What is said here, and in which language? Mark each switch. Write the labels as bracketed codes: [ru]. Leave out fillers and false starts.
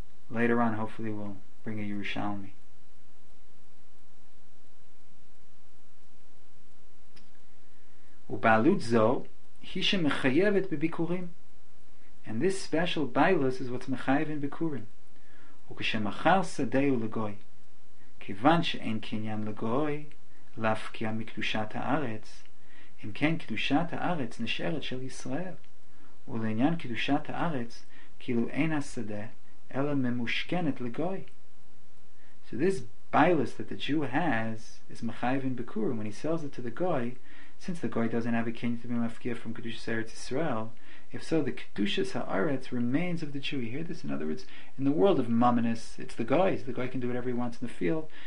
[en] Later on, hopefully, we'll bring a Yerushalmi. [he] Ubalut zo, hisha mechayevet bebikurim. [en] And this special bailus is what's mechayev in bikurim. [he] וכשמחר שדהו לגוי, כיוון שאין קניין לגוי, להפקיע מקדושת הארץ, אם כן קדושת הארץ נשארת של ישראל, ולעניין קדושת הארץ, כאילו אין השדה, אלא ממושכנת לגוי. [en] So this bailus that the Jew has is מחייב in Bikurim. When he sells it to the goy, since the goy doesn't have a kinyan to be mafkia from Kedushas Eretz Israel, if so, the Kedushas Haaretz remains of the Jew. You hear this? In other words, in the world of Mammonis, it's the goys. The goy can do whatever he wants in the field.